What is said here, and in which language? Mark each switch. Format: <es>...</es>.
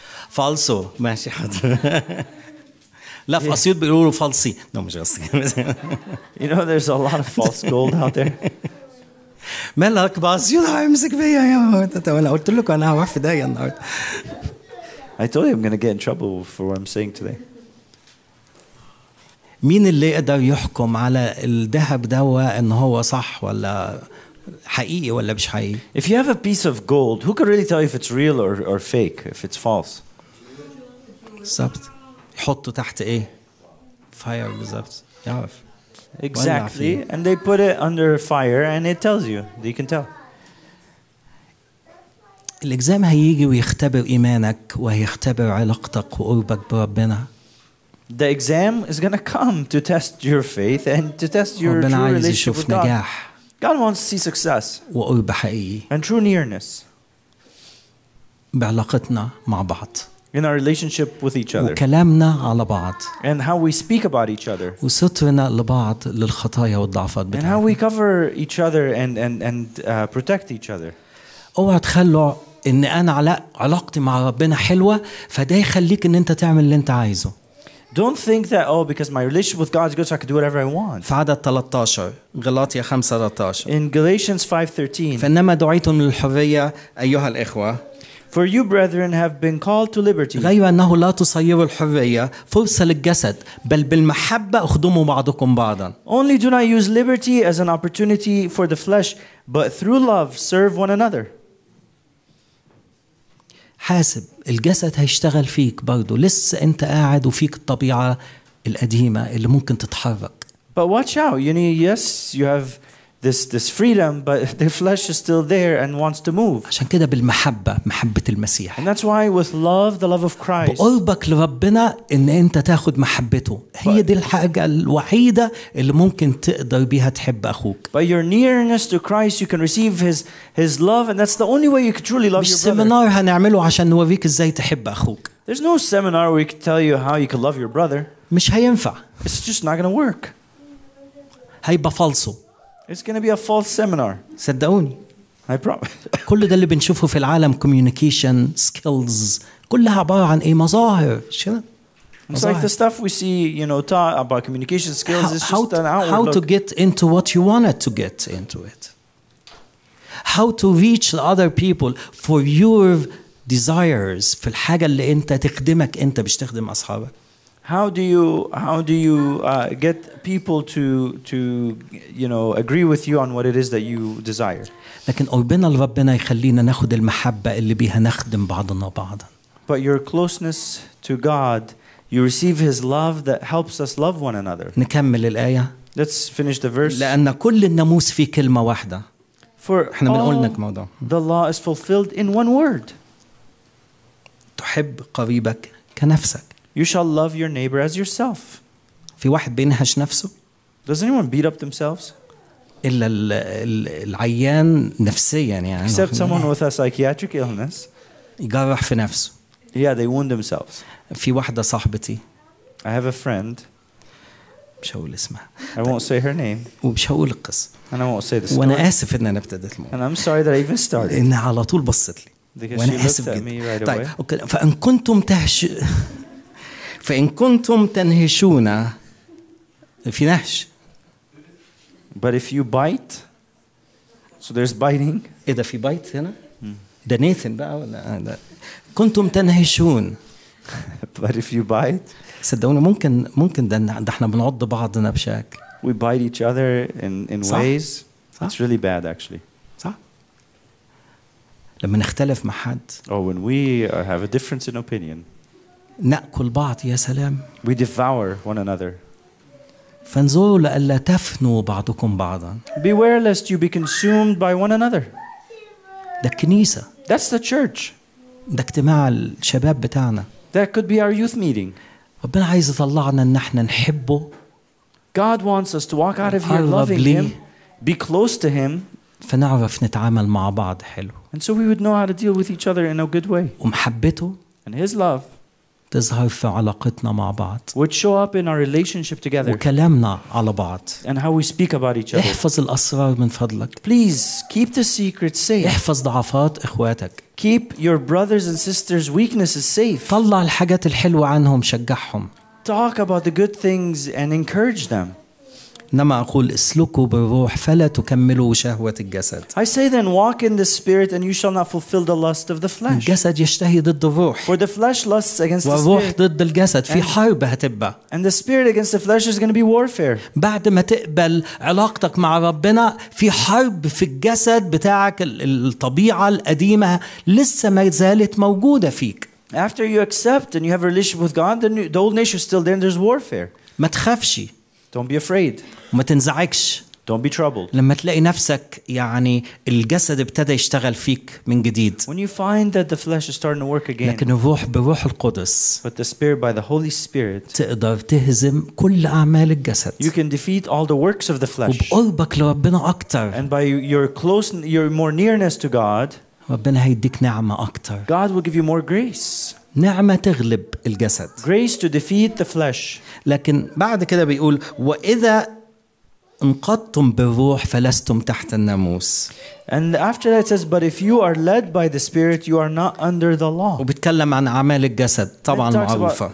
<ar>فلسو ماشي لا في أسيوط بيقولوا فلسي.</ar> <en>No,</en> <ar>مش قصدي.</ar> <en>You know there's a lot of false gold out there.</en> <ar>مالك بأسيوط هيمسك فيا يا ولد قلت لكم انا هروح في داهيه النهارده.</ar> <en>I told you I'm going to get in trouble for what I'm saying today.</en> <ar>مين اللي يقدر يحكم على الذهب دوا ان هو صح ولا حقيقي ولا مش حقيقي؟</ar> <en>If you have a piece of gold, who can really tell if it's real or fake, if it's false?</en> <ar>بالظبط. يحطه تحت ايه؟ فاير بالظبط. يعرف.</ar> <en>Exactly. And they put it under fire and it tells you. You can tell.</en> <ar>الإجزام هيجي ويختبر إيمانك ويختبر علاقتك وقربك بربنا.</ar> <en>The exam is going to come to test your faith and to test your true relationship with</en> <ar>نجاح.</ar> <en>God wants to see success</en> <ar>وقرب حقيقي</ar> <en>and true nearness</en> <ar>بعلاقتنا مع بعض</ar> <en>in our relationship with each other</en> <ar>وكلامنا على بعض</ar> <en>and how we speak about each other</en> <ar>وسترنا لبعض للخطايا والضعفات</ar> <en>and how we cover each other and protect each other.</en> <ar>اوعى تخلوا ان انا علاقتي مع ربنا حلوه فده يخليك ان انت تعمل اللي انت عايزه.</ar> <en>Don't think that oh because my relationship with God is good so I can do whatever I want.</en> <ar>في عدد 13 غلاطيا 5:13.</ar> <en>In Galatians 5:13.</en> <ar>فانما دعيتم للحريه ايها الاخوه.</ar> <en>For you brethren have been called to liberty.</en> <ar>غير انه لا تصيروا الحريه فرصه للجسد بل بالمحبه اخدموا بعضكم بعضا.</ar> <en>Only do not use liberty as an opportunity for the flesh. But through love, serve one another.</en> <ar>حاسب الجسد هيشتغل فيك برضو لسه أنت قاعد وفيك الطبيعة القديمة اللي ممكن تتحرك.</ar> <en>But watch out, you know, yes, you have this freedom, but the flesh is still there and wants to move.</en> <ar>عشان كده بالمحبة محبة المسيح.</ar> <en>And that's why with love, the love of Christ.</en> <ar>بقربك لربنا إن أنت تاخد محبته. هي دي الحاجة الوحيدة اللي ممكن تقدر بيها تحب أخوك.</ar> <en>By your nearness to Christ, you can receive his love, and that's the only way you can truly love your brother.</en> <ar>مش سيمينار هنعمله عشان نوريك إزاي تحب أخوك.</ar> <en>There's no seminar where we can tell you how you can love your brother.</en> <ar>مش هينفع.</ar> <en>It's just not gonna work.</en> <ar>هيبقى فالصو.</ar> <en>It's going to be a false seminar.</en> <ar>صدقوني.</ar> <en>I promise.</en> <ar>كل ده اللي بنشوفه في العالم</ar> <en>communication skills</en> <ar>كلها عبارة عن إيه مظاهر.</ar> <en>It's like the stuff we see, you know, taught about communication skills. It's just an outward look. How to get into what you wanted to get into it. How to reach the other people for your desires</en> <ar>في الحاجة اللي أنت تخدمك أنت مش تخدم أصحابك.</ar> <en>How do you get people to you know agree with you on what it is that you desire?</en> <ar>لكن قربنا لربنا يخلينا ناخد المحبة اللي بيها نخدم بعضنا بعضا.</ar> <en>But your closeness to God, you receive His love that helps us love one another.</en> <ar>نكمل الآية.</ar> <en>Let's finish the verse.</en> <ar>لأن كل الناموس في كلمة واحدة.</ar> <en>For all the law is fulfilled in one word.</en> <ar>تحب قريبك كنفسك.</ar> <en>You shall love your neighbor as yourself.</en> <ar>في واحد بينهش نفسه.</ar> <en>Does anyone beat up themselves?</en> <ar>إلا العيان نفسياً يعني.</ar> <en>Except someone with a psychiatric illness.</en> <ar>يجرح في نفسه.</ar> <en>Yeah, they wound themselves.</en> <ar>في واحدة صاحبتي.</ar> <en>I have a friend.</en> <ar>مش هقول اسمها.</ar> <en>I won't say her name.</en> <ar>ومش هقول القصة.</ar> <en>And I won't say the story.</en> <ar>وأنا آسف إن أنا ابتديت الموضوع.</ar> <en>And I'm sorry that I even started.</en> <ar>إنها على طول بصت لي.</ar> <en>Because she looked at me right away.</en> <ar>طيب. أوكي. فإن كنتم تهش فإن كنتم تنهشون في نهش.</ar> <en>But if you bite, so there's biting.</en> <ar>إذا في</ar> <en>bite</en> <ar>هنا. ده Nathan بقى ولا ده. كنتم تنهشون.</ar> <en>But if you bite.</en> <ar>صدقوني ممكن ده احنا بنعض بعضنا بشكل.</ar> <en>We bite each other in</en> <ar>صح.</ar> <en>ways.</en> <ar>صح.</ar> <en>It's really bad actually.</en> <ar>صح. لما نختلف مع حد.</ar> <en>Or when we have a difference in opinion.</en> <ar>نأكل بعض يا سلام.</ar> <en>We devour one another.</en> <ar>فانظروا لألا تفنوا بعضكم بعضا.</ar> <en>Beware lest you be consumed by one another.</en> <ar>ده الكنيسة.</ar> <en>That's the church.</en> <ar>ده اجتماع الشباب بتاعنا.</ar> <en>That could be our youth meeting.</en> <ar>ربنا عايز يطلعنا ان احنا نحبه.</ar> <en>God wants us to walk out of here loving him, be close to him.</en> <ar>فنعرف نتعامل مع بعض حلو.</ar> <en>And so we would know how to deal with each other in a good way.</en> <ar>ومحبته.</ar> <en>And his love.</en> <ar>تظهر في علاقتنا مع بعض.</ar> <en>Would show up in our relationship together.</en> <ar>وكلامنا على بعض.</ar> <en>And how we speak about each other.</en> <ar>احفظ الأسرار من فضلك.</ar> <en>Please keep the secrets safe.</en> <ar>احفظ ضعفات إخواتك.</ar> <en>Keep your brothers and sisters' weaknesses safe.</en> <ar>طلع الحاجات الحلوة عنهم شجعهم.</ar> <en>Talk about the good things and encourage them.</en> <ar>نما أقول اسلكوا بالروح فلا تكملوا شهوة الجسد.</ar> <en>I say then walk in the spirit and you shall not fulfill the lust of the flesh.</en> <ar>الجسد يشتهي ضد الروح.</ar> <en>For the flesh lusts against the spirit.</en> <ar>والروح ضد الجسد في حرب هتبقى.</ar> <en>And the spirit against the flesh is going to be warfare.</en> <ar>بعد ما تقبل علاقتك مع ربنا في حرب في الجسد بتاعك الطبيعة القديمة لسه ما زالت موجودة فيك.</ar> <en>After you accept and you have a relationship with God, then the old nature is still there and there's warfare.</en> <ar>ما تخافش.</ar> <en>Don't be afraid.</en> <ar>وما تنزعجش.</ar> <en>Don't be troubled.</en> <ar>لما تلاقي نفسك يعني الجسد ابتدى يشتغل فيك من جديد.</ar> <en>When you find that the flesh is starting to work again.</en> <ar>لكن الروح بروح القدس.</ar> <en>But the spirit by the Holy Spirit.</en> <ar>تقدر تهزم كل أعمال الجسد.</ar> <en>You can defeat all the works of the flesh.</en> <ar>وبقربك لربنا أكتر.</ar> <en>And by your more nearness to God.</en> <ar>ربنا هيديك نعمة أكتر.</ar> <en>God will give you more grace.</en> <ar>نعمة تغلب الجسد.</ar> <en>Grace to defeat the flesh.</en> <ar>لكن بعد كده بيقول وإذا انقضتم بالروح فلستم تحت الناموس.</ar> <en>And after that it says, but if you are led by the Spirit, you are not under the law.</en> <ar>وبتكلم عن أعمال الجسد طبعا معروفة.</ar>